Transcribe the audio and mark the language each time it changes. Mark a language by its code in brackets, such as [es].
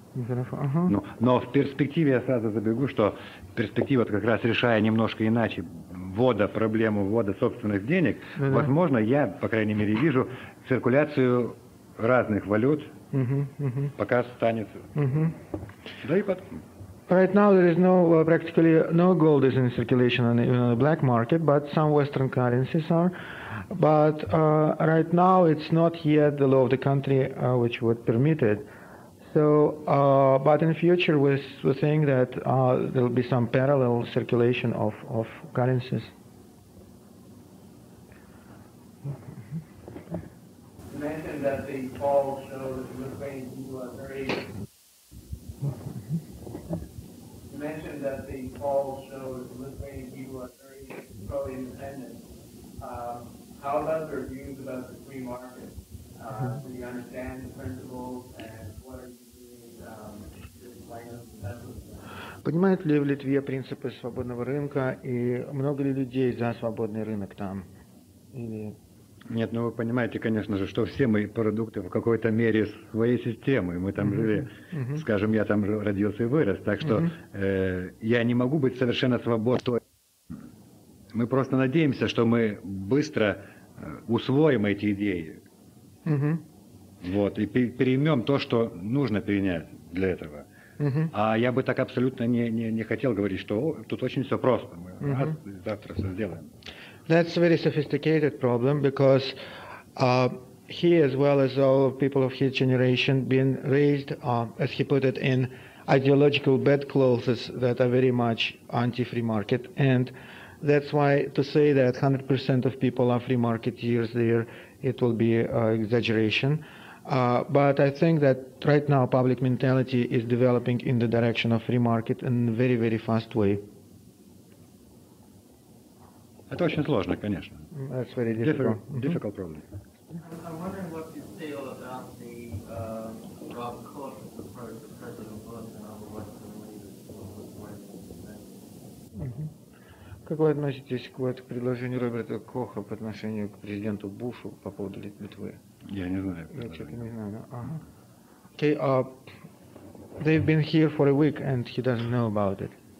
[ru] Нехорошо, ага. Но в перспективе, я сразу забегу, что перспектива, как раз решая немножко иначе проблему ввода собственных денег, да-да, возможно, я, по крайней мере, вижу циркуляцию разных валют, пока останется. Да и потом. [en] Right now there is practically no gold is in circulation on the black market, but some Western currencies are. But right now it's not yet the law of the country which would permit it. So, but in future we think that there will be some parallel circulation of currencies. May I mention that the poll shows that Ukraine is very... mentioned that the poll shows Lithuanian people are very pro-independent. How about their views about the free market? Do you understand the principles and what are you doing [ru] Понимают ли в Литве принципы свободного рынка и много ли людей за свободный рынок там? Или... Нет, ну вы понимаете, конечно же, что все мои продукты в какой-то мере своей системы. Мы там жили, скажем, я там родился и вырос. Так что я не могу быть совершенно свободным. Мы просто надеемся, что мы быстро усвоим эти идеи. Вот, и переймем то, что нужно перенять для этого. А я бы так абсолютно не хотел говорить, что тут очень все просто. Мы раз, завтра все сделаем. [en] That's a very sophisticated problem because he, as well as all people of his generation, been raised, as he put it, in ideological bedclothes that are very much anti-free market. And that's why to say that 100% of people are free marketeers there, it will be exaggeration. But I think that right now public mentality is developing in the direction of free market in a very, very fast way. [ru] Это очень сложно, конечно. [en] That's very difficult. Difficult problem. I'm wondering what you feel about the Rob Cook approach to President Bush and all the Western leaders. [ru] Как вы относитесь к предложению Роберта Коха по отношению к президенту Бушу по поводу Литвы? Я не знаю. Я что-то не знаю. Ага. [en] Okay, they've been here for a week and he doesn't know about it.